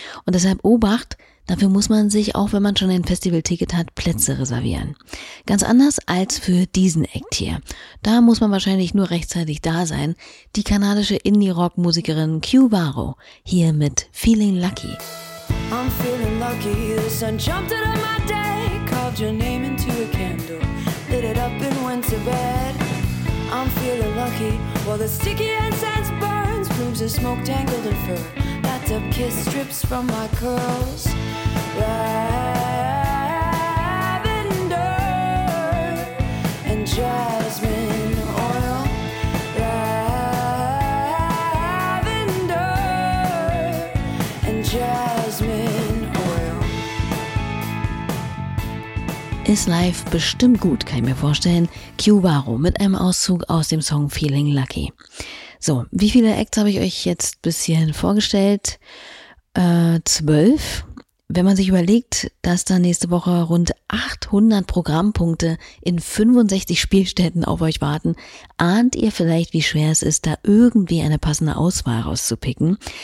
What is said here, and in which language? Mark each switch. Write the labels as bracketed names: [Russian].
[German] Und deshalb Obacht, dafür muss man sich, auch wenn man schon ein Festivalticket hat, Plätze reservieren. Ganz anders als für diesen Act hier. Da muss man wahrscheinlich nur rechtzeitig da sein. Die kanadische Indie-Rock-Musikerin Q Varro hier mit Feeling Lucky. [English] I'm feeling lucky, the sun jumped out of my day. Called your name into a candle, lit it up and went to bed. I'm feeling lucky, while the sticky incense burns. Plumes of smoke tangled in fur. Up kiss strips from my curls, lavender and jasmine oil, lavender and jasmine oil. [German] Ist live bestimmt gut, kann ich mir vorstellen. Q Varro mit einem Auszug aus dem Song Feeling Lucky. So, wie viele Acts habe ich euch jetzt bis hierhin vorgestellt? 12. Wenn man sich überlegt, dass da nächste Woche rund 800 Programmpunkte in 65 Spielstätten auf euch warten, ahnt ihr vielleicht, wie schwer es ist, da irgendwie eine passende Auswahl rauszupicken.